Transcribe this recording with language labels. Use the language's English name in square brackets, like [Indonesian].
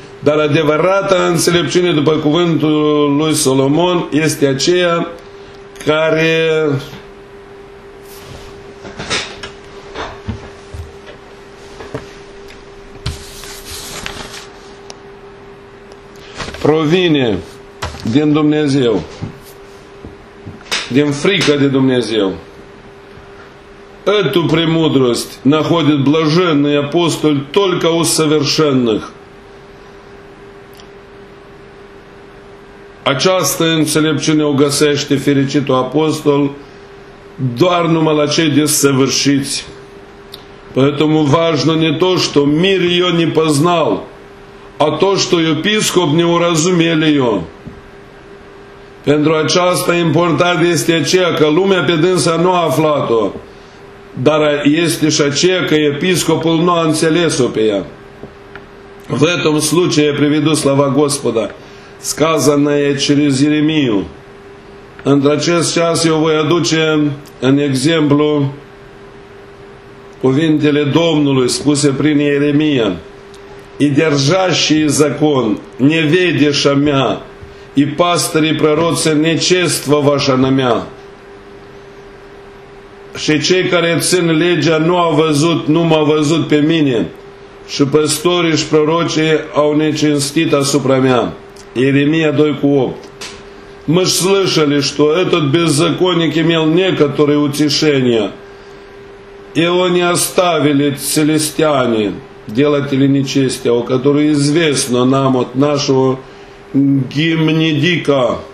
[Romanian] Dar adevărata înțelepciune, după cuvântul lui Solomon, este aceea care provine din Dumnezeu, din frica de Dumnezeu. [Russian] Эту премудрость находит блаженный апостоль только у совершенных. [Romanian] Această înțelepciune o găsește fericitul apostol doar numai la cei desăvârșiți. [Russian] Поэтому важно не то, что мир ее не познал, а то, что епископ не уразумел ее. [Romanian] Pentru aceasta important este aceea că lumea pe dânsa nu a aflat-o, dar este și aceea că episcopul nu a înțeles-o pe ea. [Russian] В этом случае я приведу слова Господа, сказанное через Иеремию. [Romanian] Într-acest час eu voi aduce în exemplu cuvintele Domnului spuse prin Ieremia. [Church Slavic] И держащие закон, неведеша мя, и пастыри пророцы, нечество ваша на мя. [Romanian] Și cei care țin legea nu m-a văzut pe mine, și păstorii și prorocii au necinstit asupra mea. [Russian] Иеремия 2:8. Мы слышали, что этот беззаконник имел некоторые утешения, и его не оставили целестяне, делатели нечестия, о которой известно нам от нашего гимнедика.